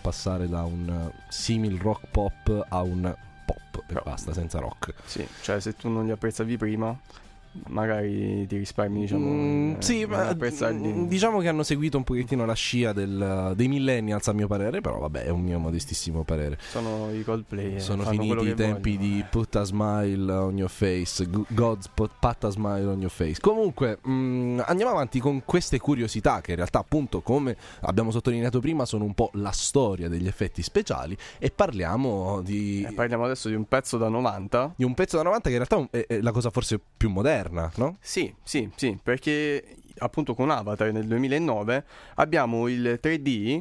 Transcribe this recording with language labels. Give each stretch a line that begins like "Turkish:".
Italian: Passare da un simil rock pop a un pop, però basta, senza rock. Sì, cioè se tu non li apprezzavi prima, magari ti risparmi, diciamo, sì, ma diciamo che hanno seguito un pochettino la scia dei millennials, a mio parere, però vabbè, è un mio modestissimo parere. Sono i Coldplay, sono finiti i tempi vogliono,
English: di put a smile on your face, God's put a smile on your face.
Italian: Comunque, andiamo avanti con queste curiosità che in realtà, appunto, come abbiamo sottolineato prima, sono un po' la storia degli effetti speciali, e parliamo di parliamo adesso di un pezzo da 90, di un pezzo da 90 che in realtà è la cosa forse più moderna, no? Sì, sì, sì, perché appunto con Avatar nel 2009 abbiamo il 3D,